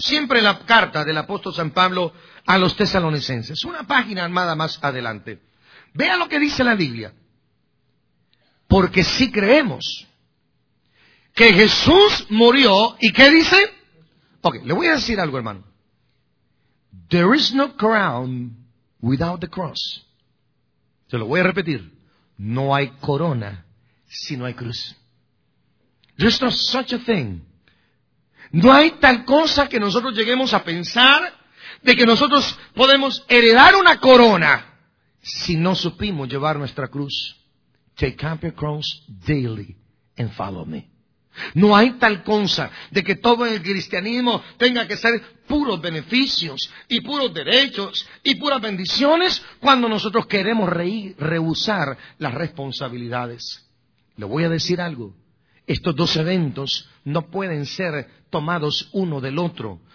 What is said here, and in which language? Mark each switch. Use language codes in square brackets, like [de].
[es] Siempre la carta del apóstol San Pablo a los tesalonicenses. Una página armada más adelante. Vea lo que dice la Biblia. Porque si creemos que Jesús murió, ¿y qué dice? Ok, le voy a decir algo, hermano. [en] There is no crown without the cross. [es] Se lo voy a repetir. No hay corona si no hay cruz. [en] There's no such a thing. [es] No hay tal cosa que nosotros lleguemos a pensar de que nosotros podemos heredar una corona si no supimos llevar nuestra cruz. [en] Take up your cross daily and follow me. [es] No hay tal cosa de que todo el cristianismo tenga que ser puros beneficios y puros derechos y puras bendiciones cuando nosotros queremos rehusar las responsabilidades. Le voy a decir algo. Estos dos eventos no pueden ser tomados uno del otro.